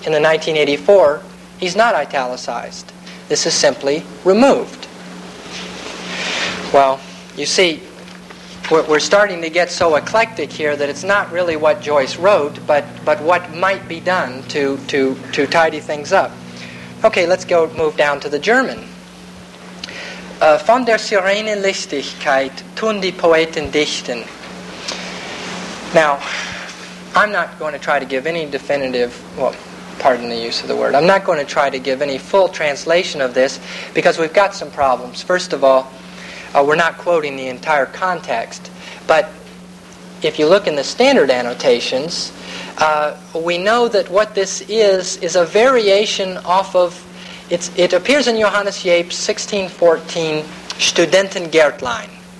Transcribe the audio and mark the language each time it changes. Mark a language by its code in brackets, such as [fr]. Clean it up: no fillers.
[en] In the 1984, he's not italicized. This is simply removed. Well, you see, we're starting to get so eclectic here that it's not really what Joyce wrote, but what might be done to tidy things up. Okay, let's go move down to the German. [de] Von der Sirenen Listigkeit tun die Poeten dichten. [en] Now, I'm not going to try to give any definitive, well, pardon the use of the word, I'm not going to try to give any full translation of this because we've got some problems. First of all, we're not quoting the entire context, but if you look in the standard annotations, we know that what this is a variation off of, it appears in Johannes Jaep's 1614 Studentengärtlein.